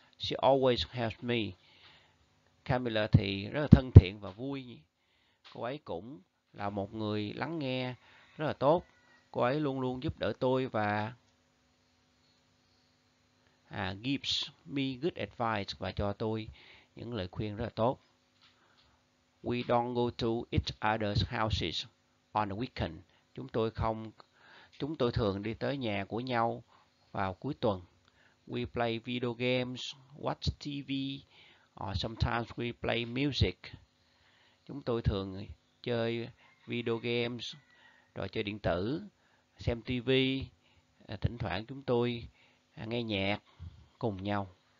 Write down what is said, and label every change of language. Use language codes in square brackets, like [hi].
[en] She always helps me. [vi] Camilla thì rất là thân thiện và vui. Cô ấy cũng là một người lắng nghe rất là tốt. Cô ấy luôn luôn giúp đỡ tôi và [en] gives me good advice [vi] và cho tôi những lời khuyên rất là tốt. [en] We don't go to each other's houses on the weekend. [vi] Chúng tôi thường đi tới nhà của nhau vào cuối tuần. [en] We play video games, watch TV, or sometimes we play music. [vi] Chúng tôi thường chơi video games, rồi chơi điện tử, xem TV, thỉnh thoảng chúng tôi nghe nhạc cùng nhau.